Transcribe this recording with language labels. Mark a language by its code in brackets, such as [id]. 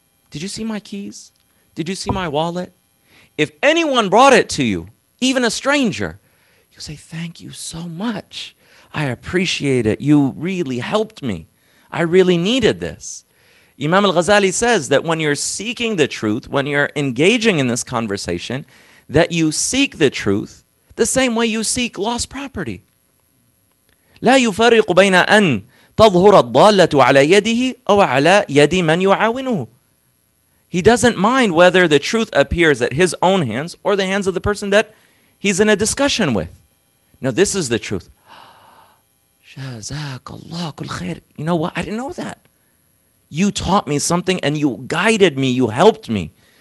[en] Did you see my keys? Did you see my wallet? If anyone brought it to you, even a stranger, you say, thank you so much. I appreciate it. You really helped me. I really needed this. Imam al-Ghazali says that when you're seeking the truth, when you're engaging in this conversation, that you seek the truth the same way you seek lost property. [ar] لا يفرق بين أن تظهر الضالة على يده أو على يد من يعاونه. [en] He doesn't mind whether the truth appears at his own hands or the hands of the person that he's in a discussion with. Now, this is the truth. Jazakallah kul khair. You know what? I didn't know that. You taught me something and you guided me. You helped me.